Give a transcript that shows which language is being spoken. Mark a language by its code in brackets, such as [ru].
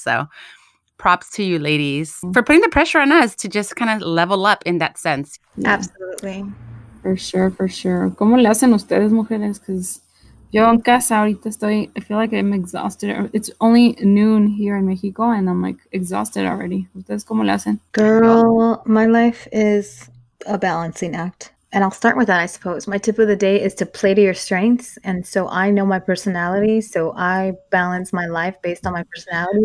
[en] So props to you, ladies, for putting the pressure on us to just kind of level up in that sense. Yeah. Absolutely. For sure. [es] ¿Cómo le hacen ustedes, mujeres? [en] Because [es] yo en casa ahorita estoy, [en] I feel like I'm exhausted. It's only noon here in Mexico, and I'm like exhausted already. [es] ¿Ustedes cómo le hacen? [en] Girl, my life is a balancing act. And I'll start with that, I suppose. My tip of the day is to play to your strengths. And so I know my personality, so I balance my life based on my personality.